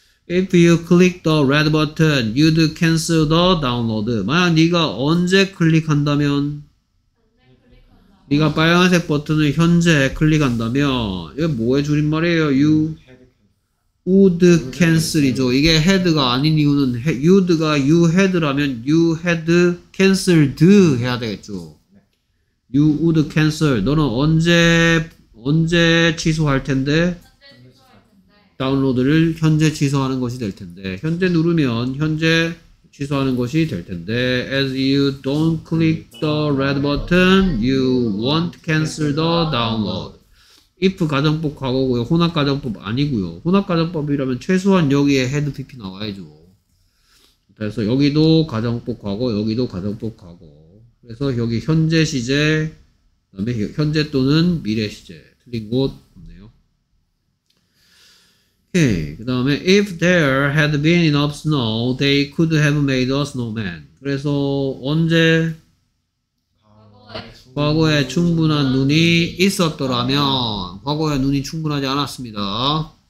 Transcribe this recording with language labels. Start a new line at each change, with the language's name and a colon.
English: If you click the red button, you'd cancel the download.
Korean: 만약 네가 언제 클릭한다면 네가 빨간색 버튼을 현재 클릭한다면 이게 뭐의 줄임말이에요?
English: You would cancel이죠.
Korean: 이게 had가 아닌 이유는 you'd가 you had라면
English: you had cancelled
Korean: 해야 되겠죠.
English: You would cancel.
Korean: 너는 언제 취소할 텐데? 다운로드를 현재 취소하는 것이 될 텐데. 현재 누르면 현재 취소하는 것이 될 텐데
English: as you don't click the red button you won't cancel the download.
Korean: if 가정법 과거고요. 혼합 가정법 아니고요. 혼합 가정법이라면 최소한 여기에 head pp 나와야죠. 그래서 여기도 가정법 과거 여기도 가정법 과거. 그래서 여기 현재 시제 그다음에 현재 또는 미래 시제 틀린 곳 없네요. 오케이. 그 다음에
English: if there had been enough snow they could have made a snowman.
Korean: 그래서 언제 과거에 충분한 눈이 있었더라면 과거에 눈이 충분하지 않았습니다.